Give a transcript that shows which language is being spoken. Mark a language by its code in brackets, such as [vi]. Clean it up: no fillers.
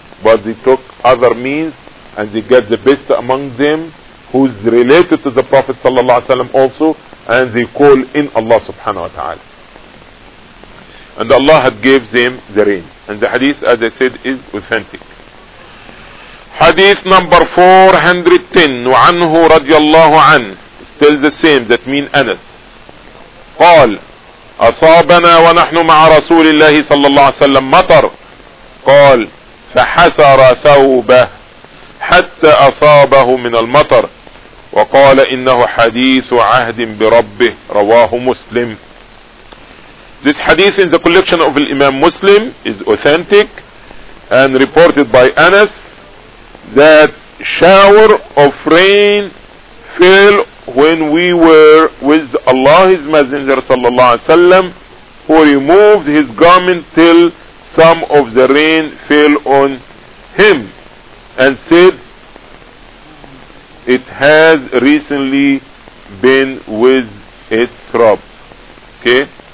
[en] But they took other means, and they got the best among them who's related to the Prophet sallallahu alaihi wasallam also, and they call in Allah subhanahu wa ta'ala, and Allah had gave them the rain. And the hadith, as I said, is authentic. Hadith number 410, [ar] وَعَنْهُ رَضِيَ اللَّهُ عَنْهُ, [en] still the same, that mean Anas, [ar] قال أصابنا ونحن مع رسول الله صلى الله عليه وسلم مطر قال فحسر ثوبه حتى أصابه من المطر وقال إنه حديث عهد بربه رواه مسلم. [en] This hadith in the collection of Imam Muslim is authentic and reported by Anas that shower of rain fell when we were with Allah's Messenger sallallahu alaihi wasallam, who removed his garment till some of the rain fell on him and said, it has recently been with its Rabb. Okay?